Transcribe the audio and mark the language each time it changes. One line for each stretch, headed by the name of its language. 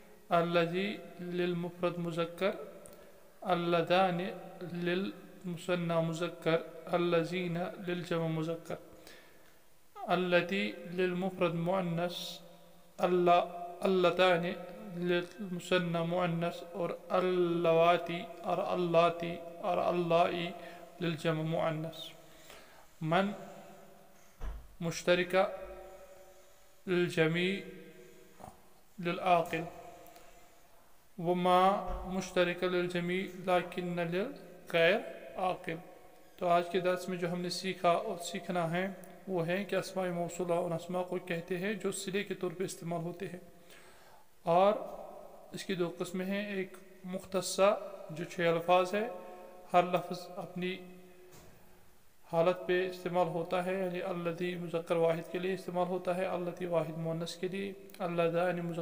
Arabic: अल्लज़ी लिल मुफ़रद मुज़क्कर, अल्लदान लिल मुसन्ना मुज़क्कर, अल्लज़ीना लिल जमा मुज़क्कर, अल्लती लिल मुफ़रद मुअन्नस, अल्लदान लिल मुसन्ना मुअन्नस और अल्लवाती और अल्लाती और अल्लाई लिल जमा मुअन्नस. मन مشتركة للجميع للعاقل، وما مشتركة للجميع لكن للغير عاقل.
Urdu: تو آج کے درس میں جو ہم نے سیکھا اور سیکھنا ہے وہ ہے کہ اسماء موصولہ ان اسماء کو کہتے ہیں جو صلے کے طور پر استعمال ہوتے ہیں، اور اس کی دو قسمیں ہیں، ایک مختصہ جو چھ الفاظ ہے، ہر لفظ اپنی حالت پہ استعمال ہوتا ہے، یعنی الذی مذکر واحد کے لیے استعمال ہوتا ہے، التی واحد مؤنث کے لیے، اللذانی